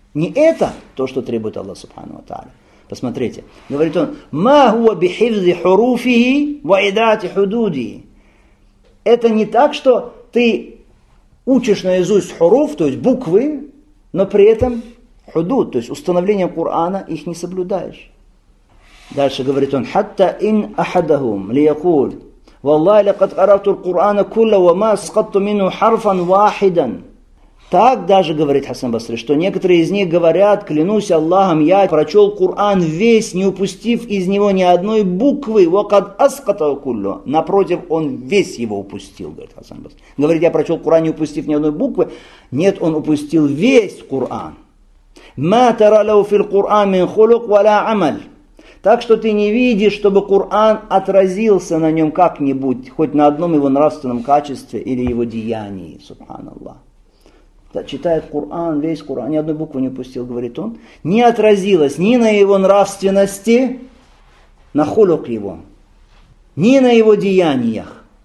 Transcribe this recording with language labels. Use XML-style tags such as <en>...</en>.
<ru>Не это то, что требует Аллах Субхану ва Тааля. Посмотрите, говорит он,</ru> <ar>«Ма хуа бихифзи хуруфихи ва идати худудии».</ar> <ru>Это не так, что ты учишь наизусть хуруф, то есть буквы, но при этом худуд, то есть установление Корана, их не соблюдаешь. Дальше говорит он,</ru> <ar>«Хатта ин ахадахум лиякуль». والله لقد قرأت القرآن كله وما سقطت منه حرفا واحدا.</ar> <ru>Так даже говорит Хасан Басри, что некоторые из них говорят, клянусь Аллахом, я прочел Коран весь, не упустив из него ни одной буквы.</ru> <ar>وقد أسقط كله.</ar> <ru>Напротив, он весь его упустил, говорит Хасан Басри. Говорит, я прочел Коран, не упустив ни одной буквы. Нет, он упустил весь Коран.</ru> <ar>ما ترى له في القرآن من خلق ولا عمل.</ar> <ru>Так что ты не видишь, чтобы Коран отразился на нем как-нибудь, хоть на одном его нравственном качестве или его деянии, субханаллах. Да, читает Коран, весь Коран, ни одной буквы не упустил, говорит он. Не отразилось ни на его нравственности, на хулук его, ни на его деяниях.</ru>